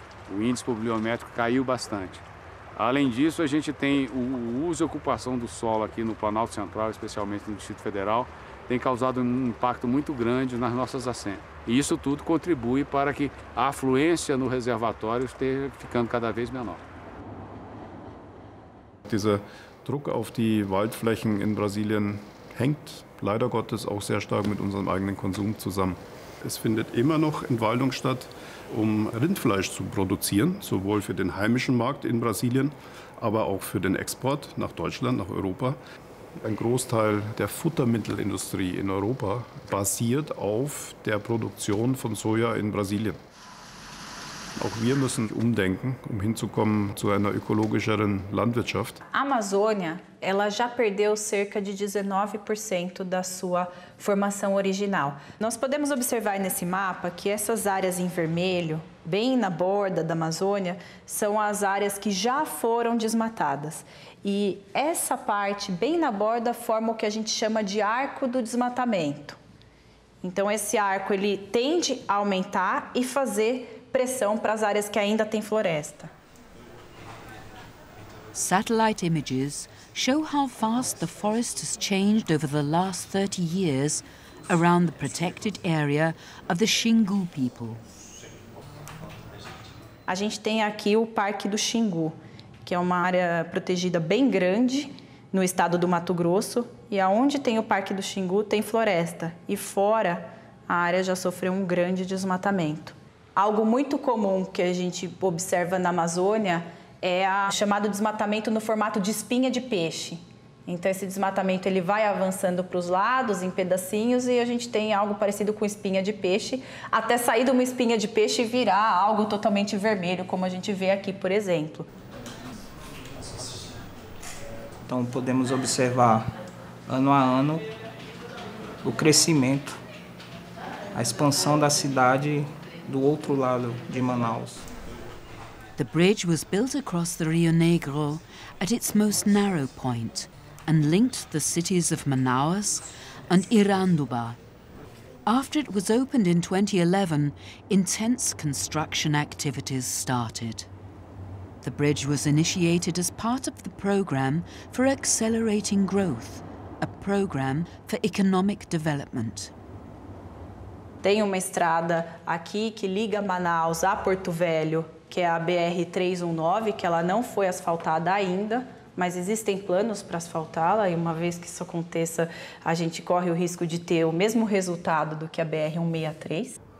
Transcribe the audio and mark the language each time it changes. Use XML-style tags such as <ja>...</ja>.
<pt>O índice pluviométrico caiu bastante. Além disso, a gente tem o uso e ocupação do solo aqui no Planalto Central, especialmente no Distrito Federal, tem causado um impacto muito grande nas nossas acenas. E isso tudo contribui para que a afluência no reservatório esteja ficando cada vez menor.</pt> <de>Dieser Druck auf die Waldflächen in Brasilien hängt leider Gottes auch sehr stark mit unserem eigenen Konsum zusammen. Es findet immer noch Entwaldung statt, um Rindfleisch zu produzieren, sowohl für den heimischen Markt in Brasilien, aber auch für den Export nach Deutschland, nach Europa. Ein Großteil der Futtermittelindustrie in Europa basiert auf der Produktion von Soja in Brasilien. Auch wir müssen umdenken, um hinzukommen zu einer ökologischeren Landwirtschaft.</de> <pt>A Amazônia, ela já perdeu cerca de 19% da sua formação original. Nós podemos observar nesse mapa que essas áreas em vermelho, bem na borda da Amazônia, são as áreas que já foram desmatadas. E essa parte bem na borda forma o que a gente chama de arco do desmatamento. Então esse arco, ele tende a aumentar e fazer pressão para as áreas que ainda têm floresta.</pt> <en>Satellite images show how fast the forest has changed over the last 30 years around the protected area of the Xingu people.</en> <pt>A gente tem aqui o Parque do Xingu, que é uma área protegida bem grande, no estado do Mato Grosso, e aonde tem o Parque do Xingu tem floresta, e fora a área já sofreu um grande desmatamento. Algo muito comum que a gente observa na Amazônia é o chamado desmatamento no formato de espinha de peixe. Então esse desmatamento ele vai avançando para os lados em pedacinhos e a gente tem algo parecido com espinha de peixe, até sair de uma espinha de peixe e virar algo totalmente vermelho, como a gente vê aqui, por exemplo. Então podemos observar ano a ano o crescimento, a expansão da cidade do outro lado de Manaus.</pt> <en>The bridge was built across the Rio Negro at its most narrow point and linked the cities of Manaus and Iranduba. After it was opened in 2011, intense construction activities started. The bridge was initiated as part of the program for accelerating growth, a program for economic development.</en> <pt>Tem uma estrada aqui que liga Manaus a Porto Velho, que é a BR-319, que ela não foi asfaltada ainda, mas existem planos para asfaltá-la, e uma vez que isso aconteça, a gente corre o risco de ter o mesmo resultado do que a BR-163.</pt>